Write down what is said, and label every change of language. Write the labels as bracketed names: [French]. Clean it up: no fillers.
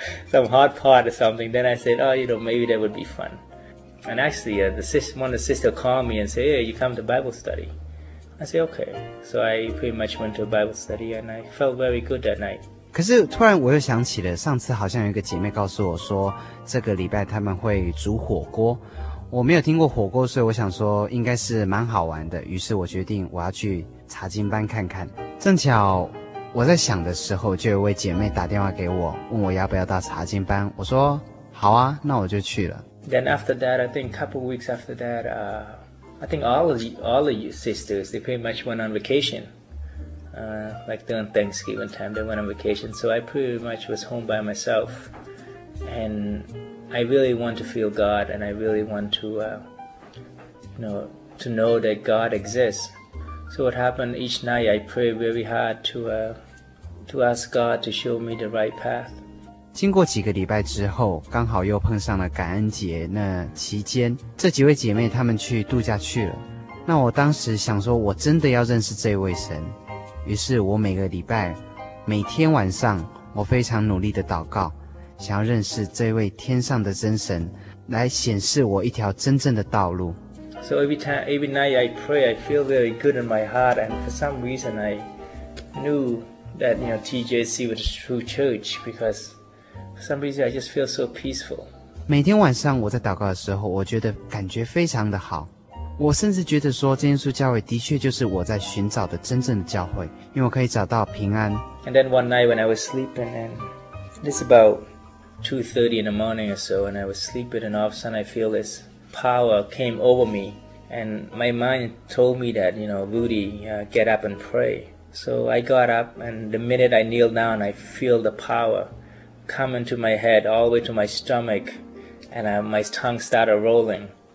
[English] Some hot pot or something. Then I said, oh, you know, maybe that would be fun. And actually, the sister called me and said, hey, you come to Bible study. I said, okay. So I pretty much went to Bible study and I felt very good that night. [Chinese] 可是突然我又想起了上次好像有一个姐妹告诉我说这个礼拜他们会煮火锅。我没有听过火锅，所以我想说应该是蛮好玩的，于是我决定我要去查经班看看。正巧我在想的时候，就有位姐妹打电话给我，问我要不要到查经班。我说好啊，那我就去了。 [English] Then after that, I think a couple weeks after that, I think all of you sisters, they pretty much went on vacation. Like during Thanksgiving time, they went on vacation. So I pretty much was home by myself. And I really want to feel God, and I really want to, to know that God exists. So what happened, each night I pray very hard to ask God to show me the right path. [Chinese] 经过几个礼拜之后，刚好又碰上了感恩节，那期间这几位姐妹她们去度假去了。那我当时想说我真的要认识这位神，于是我每个礼拜每天晚上我非常努力的祷告，想要认识这位天上的真神，来显示我一条真正的道路。 [English] So every night I pray, I feel very good in my heart, and for some reason I knew that, you know, TJC was a true church, because for some reason I just feel so peaceful. [Chinese] 每天晚上我在祷告的时候，我觉得感觉非常的好。我甚至觉得说，真耶稣教会的确就是我在寻找的真正的教会，因为我可以找到平安。 [English] And then one night when I was sleeping, and it's about 2:30 in the morning or so, and I was sleeping, and all of a sudden I feel this power came over me, and my mind told me that, you know, Rudy, get up and pray. So I got up, and the minute I kneeled down, I feel the power come into my head, all the way to my stomach, and my tongue started rolling.